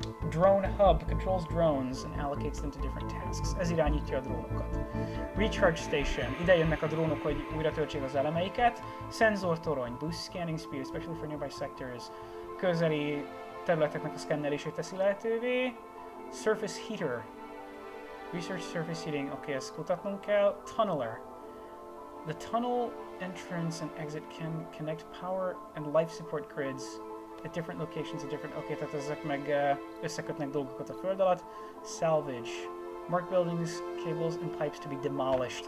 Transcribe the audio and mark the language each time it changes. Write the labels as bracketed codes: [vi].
[en] Drone hub controls drones and allocates them to different tasks. [hu] Ez irányítja a drónokat. [en] Recharge station. [hu] Ide jönnek a drónok, hogy újra töltsék az elemeiket. Sensor torony. [en] Boost scanning speed, especially for nearby sectors. [hu] Közeli területeknek a szkennelését teszi lehetővé. [en] Surface heater. Research surface heating. [hu] Okay, ezt kutatnunk kell. [en] Tunneler. The tunnel entrance and exit can connect power and life support grids. At different locations, at different... [hu] Okay, tehát ezek meg összekötnek dolgokat a föld alatt. [en] Salvage. Mark buildings, cables and pipes to be demolished.